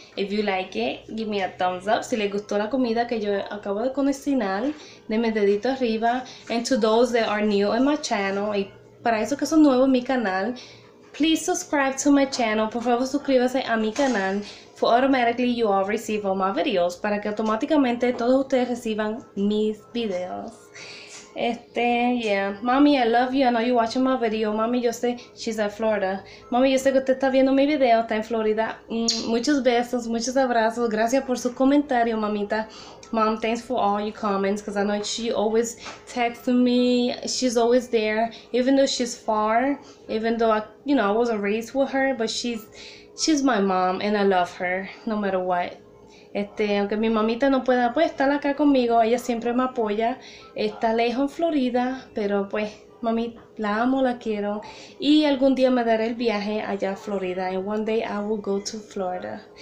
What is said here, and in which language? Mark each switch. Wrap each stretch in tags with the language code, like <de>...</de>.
<en>If you like it, give me a thumbs up.</en> <es>Si les gustó la comida que yo acabo de cocinar, denme dedito arriba.</es> <en>And to those that are new in my channel,</en> <es>y para esos que son nuevos en mi canal,</es> <en>please subscribe to my channel.</en> <es>Por favor, suscríbase a mi canal.</es> <en>For automatically you all receive all my videos,</en> <es>para que automáticamente todos ustedes reciban mis videos.</es> <en>Yeah. Mommy, I love you. I know you're watching my video. Mommy,</en> <es>yo sé,</es> <en>she's in Florida.</en> <es>Mommy, yo sé que usted está viendo mi video, está en Florida. Muchos besos, muchos abrazos. Gracias por su comentario, mamita.</es> <en>Mom, thanks for all your comments, because I know she always texts me. She's always there, even though she's far, even though, I wasn't raised with her, but she's my mom, and I love her, no matter what.</en> <es>Aunque mi mamita no pueda, pues, estar acá conmigo, ella siempre me apoya. Está lejos en Florida, pero pues, mami, la amo, la quiero. Y algún día me daré el viaje allá a Florida.</es> <en>And one day I will go to Florida.</en>